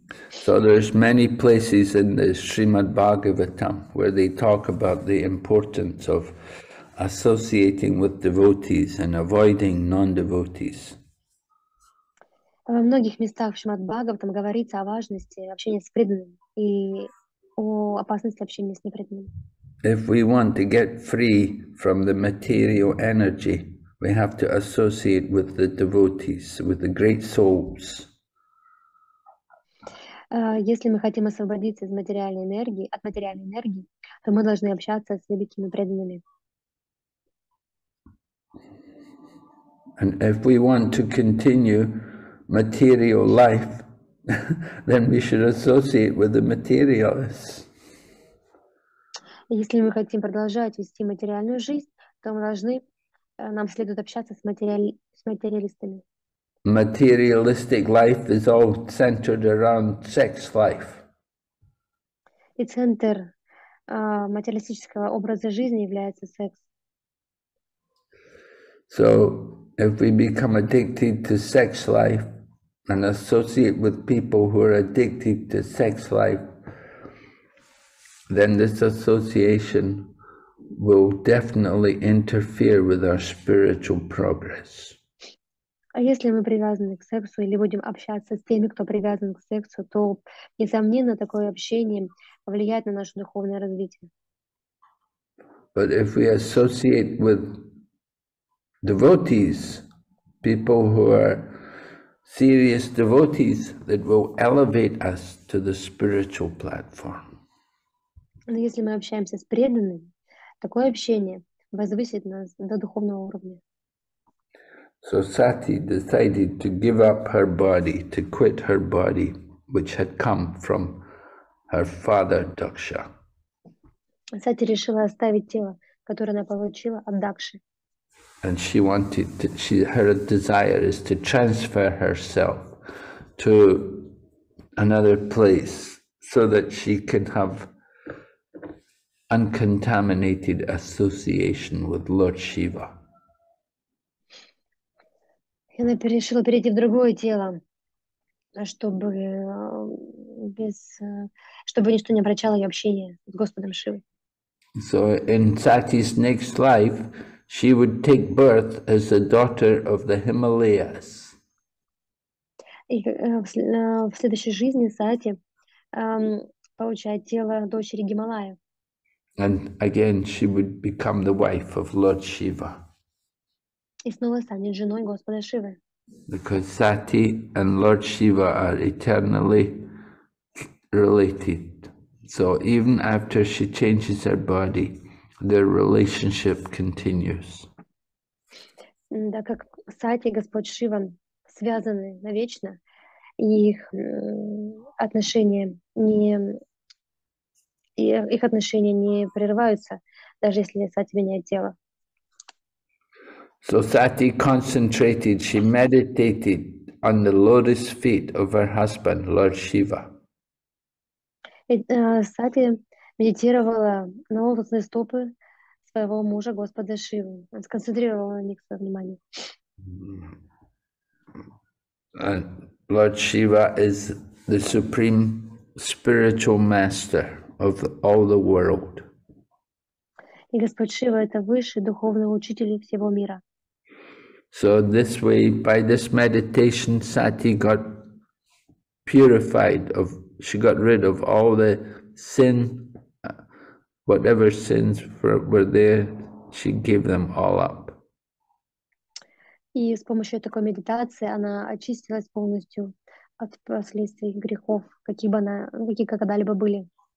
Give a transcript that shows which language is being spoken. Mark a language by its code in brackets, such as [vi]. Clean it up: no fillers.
[en] So there's many places in the Srimad Bhagavatam where they talk about the importance of associating with devotees and avoiding non-devotees. [ru] Во многих местах в Шримад Бхагаватам говорится о важности общения с преданными и о опасности общения с непреданными. [en] If we want to get free from the material energy, we have to associate with the devotees, with the great souls. [ru] Если мы хотим освободиться из материальной энергии, от материальной энергии, то мы должны общаться с великими преданными. [en] And if we want to continue material life, then we should associate with the materialists. [ru] Если мы хотим продолжать вести материальную жизнь, то мы должны, нам следует общаться с материалистами. [en] Materialistic life is all centered around sex life. [ru] И центр материалистического образа жизни является секс. [en] So, if we become addicted to sex life and associate with people who are addicted to sex life, then this association will definitely interfere with our spiritual progress. [ru] А если мы привязаны к сексу или будем общаться с теми, кто привязан к сексу, то, несомненно, такое общение влияет на наше духовное развитие. [en] But if we associate with devotees, people who are serious devotees, that will elevate us to the spiritual platform. [ru] Но если мы общаемся с преданными, такое общение возвысит нас до духовного уровня. [en] So Sati decided to give up her body, to quit her body, which had come from her father Daksha. [ru] Сати решила оставить тело, которое она получила от Дакши. [en] And she wanted to, she, her desire is to transfer herself to another place so that she can have uncontaminated association with Lord Shiva. [ru] И она решила перейти в другое тело, чтобы без, чтобы ничто не обращало ее общение с Господом Шивой. [en] So in Sati's next life, she would take birth as the daughter of the Himalayas. [ru] И в следующей жизни Сати получает тело дочери Гималаев. [en] And again, she would become the wife of Lord Shiva. [ru] И снова станет женой Господа Шивы. [en] Because Sati and Lord Shiva are eternally related. So even after she changes her body, their relationship continues. [ru] Да, как Сати и Господь Шива связаны навечно, их отношения не прерываются, даже если Сати меняет тело. [en] So Sati concentrated, she meditated on the lotus feet of her husband, Lord Shiva. [ru] Сати медитировала на лотосные стопы своего мужа, Господа Шивы. Она сконцентрировала на них свое внимание. [en] And Lord Shiva is the supreme spiritual master of all the world. [ru] И Господь Шива — это высший духовный учитель всего мира. [en] So this way, by this meditation, Sati got purified of, she got rid of all the sin, whatever sins were there, she gave them all up. [ru] И с помощью такой медитации она очистилась полностью от последствий грехов, какие бы она, какие когда-либо были.